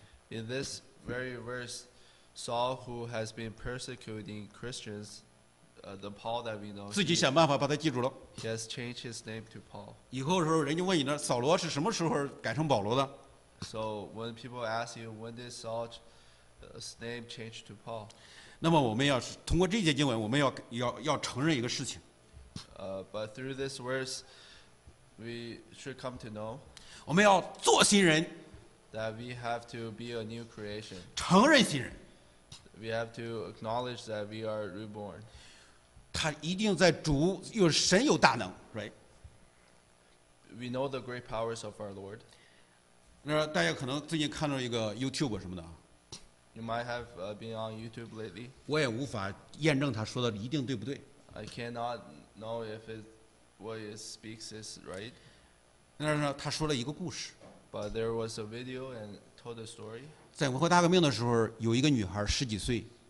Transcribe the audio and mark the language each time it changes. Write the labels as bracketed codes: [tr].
[en] In this very verse Saul who has been persecuting Christians the Paul that we know [zh] 自己想办法把他记住了 [en] He has changed his name to Paul [zh] 以后的时候人家问你呢扫罗是什么时候改成保罗的 [en] So when people ask you when did Saul's name change to Paul? [zh] 那么我们要通过这节经文，我们要承认一个事情。 [en] But through this verse, we should come to know. [zh] 我们要做新人。 [en] That we have to be a new creation. [zh] 承认新人。 [en] We have to acknowledge that we are reborn. [zh] 他一定在主有神有大能 ，right? [en] We know the great powers of our Lord. [zh] 那大家可能最近看到一个 YouTube 什么的 [en] ，You might have been on YouTube lately。 [zh] 我也无法验证他说的一定对不对。 [en] I cannot know if it what he speaks is right。 [zh] 那是他说了一个故事。 [en] But there was a video and told a story。 [zh] 在文化大革命的时候，有一个女孩十几岁。